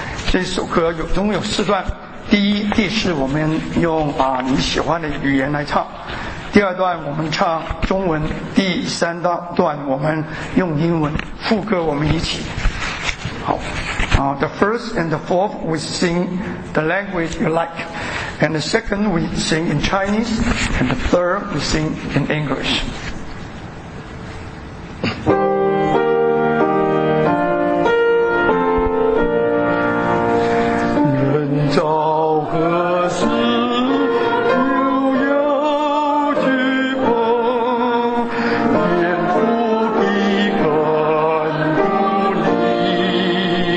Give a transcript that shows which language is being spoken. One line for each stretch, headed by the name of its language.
Chinese: 这首歌有总共有四段，第一、第四我们用你喜欢的语言来唱，第二段我们唱中文，第三段我们用英文，副歌我们一起。
English: 好the first and the fourth we sing the language you like, and the second we sing in Chinese, and the third we sing in English.
Chinese: 人造何事悠悠之风，天父必看顾你，